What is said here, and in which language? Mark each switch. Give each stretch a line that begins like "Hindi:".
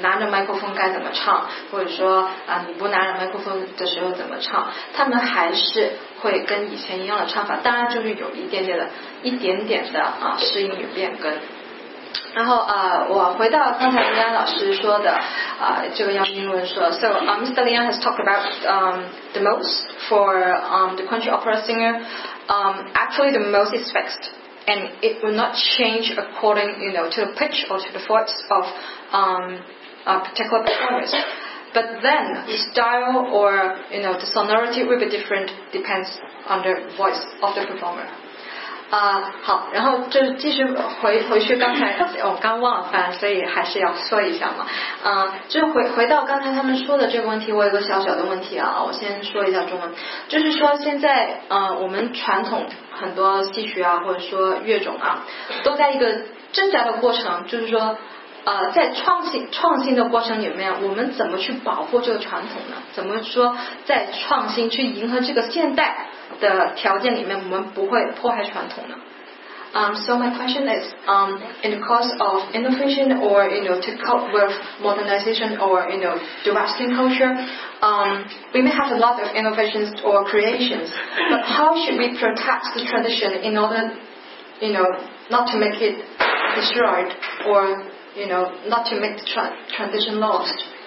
Chinese: 拿着麦克风该怎么唱，或者说啊你不拿着麦克风的时候怎么唱，他们还是会跟以前一样的唱法，当然就是有一点点的适应与变更。然后我回到刚才林丹老师说的这个杨明文说
English: So Mr. Liang has talked about the modes for the country opera singer. Actually the mode is fixed and it will not change according to the pitch or to the voice of a particular performance. But then the style or the sonority will be different, depends on the voice of the performer.
Chinese: 好，然后就继续回去刚才我刚忘了翻，所以还是要说一下嘛。就回到刚才他们说的这个问题，我有个小小的问题啊，我先说一下中文，就是说现在我们传统很多戏曲啊，或者说乐种啊，都在一个挣扎的过程，就是说在创新的过程里面，我们怎么去保护这个传统呢？怎么说在创新去迎合这个现代的条件里面，我们不会破坏传统呢？
English: So my question is, in the course of innovation or to cope with modernization or the Western culture, we may have a lot of innovations or creations, but how should we protect the tradition in order, not to make it destroyed or not to make the transition lost?